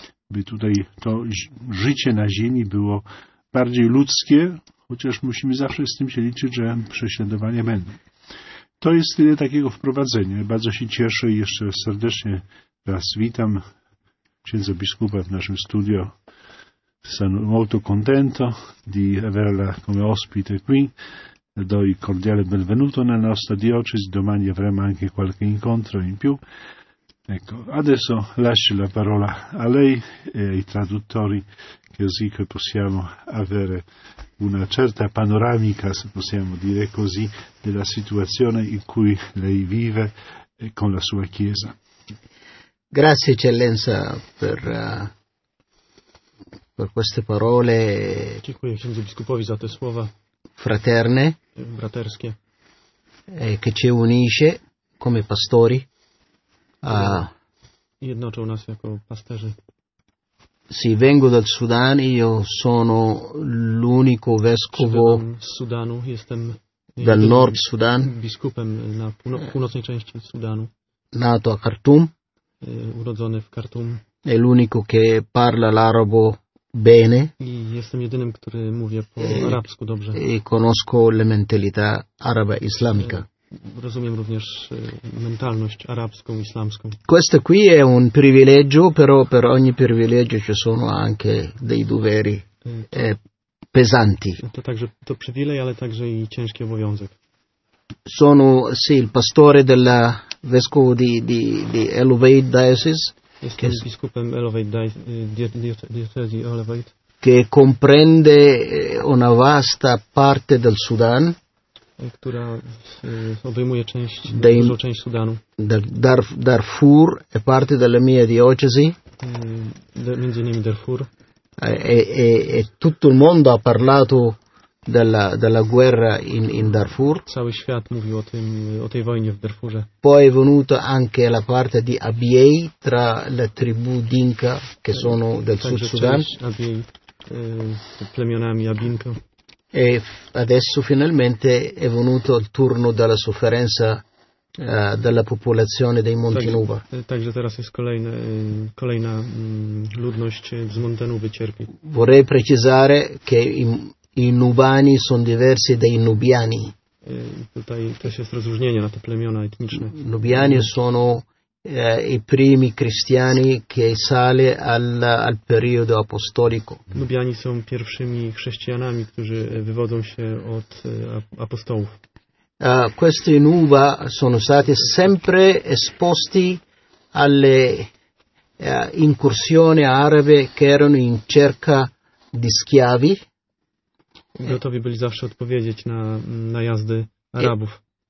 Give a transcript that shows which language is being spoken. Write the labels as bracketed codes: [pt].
[pl] By tutaj to życie na ziemi było bardziej ludzkie, chociaż musimy zawsze z tym się liczyć, że prześladowania będą. To jest tyle takiego wprowadzenia. Bardzo się cieszę i jeszcze serdecznie raz witam księdza biskupa w naszym studio. [it] Sono molto contento di averla come ospite qui. Do i cordiale benvenuto nella nostra diocesi. Domani avremo anche qualche incontro in più. Ecco, adesso lascio la parola a lei e ai traduttori, così che possiamo avere una certa panoramica, se possiamo dire così, della situazione in cui lei vive con la sua Chiesa. Grazie Eccellenza per queste parole. [pl] Dziękuję księdzu biskupowi za te słowa. [it] Fraterne. [pl] Braterskie. [it] Che ci unisce come pastori. [pl] Jednoczą nas jako pasterzy. [it] Sì, vengo dal Sudan, io sono l'unico vescovo [pl] z Sudanu, jestem [it] dal Nord Sudan. [pl] Biskupem na północnej części Sudanu. [it] Nato a Khartoum. [pl] Urodzony w Khartoum. [it] È l'unico che parla l'arabo bene. [pl] I jestem jedynym, który mówi po arabsku dobrze. [it] E conosco le mentalità araba islamica. [pl] Rozumiem również mentalność arabską, islamską. [it] Questo qui è un privilegio, però per ogni privilegio ci sono anche dei doveri pesanti. [pl] To także to przywilej, ale także i ciężki obowiązek. [it] Sono, sì, il pastore della vescovo di Elevate Diocese. [pl] Jestem biskupem Elevate Diocese Elevate. [it] Che comprende una vasta parte del Sudan. [pl] Która obejmuje część, dużą część Sudanu. [it] Darfur è parte della mia diocesi. [pl] Między innymi Darfur. [it] E tutto il mondo ha parlato della guerra in Darfur. [pl] Cały świat mówił o tej wojnie w Darfurze. [it] Poi è venuta anche la parte di Abyei tra le tribù Dinka che sono del Sud Sudan. [pl] Abyei z plemionami Abinka. [it] E adesso finalmente è venuto il turno della sofferenza della popolazione dei Monti Nuba. [pl] Także teraz jest kolejna ludność z Monte Nuba cierpi. [it] Vorrei precisare che i Nubani sono diversi dai Nubiani. [pl] Tutaj też jest rozróżnienie na te plemiona etniczne. [it] Nubiani sono i primi cristiani che sale al periodo apostolico. [pl] Nubiani są pierwszymi chrześcijanami, którzy wywodzą się od apostołów. [it] Questi Nuba sono stati sempre esposti alle incursioni arabe che erano in cerca di schiavi. [pl] Gotowi byli zawsze odpowiedzieć na najazdy Arabów.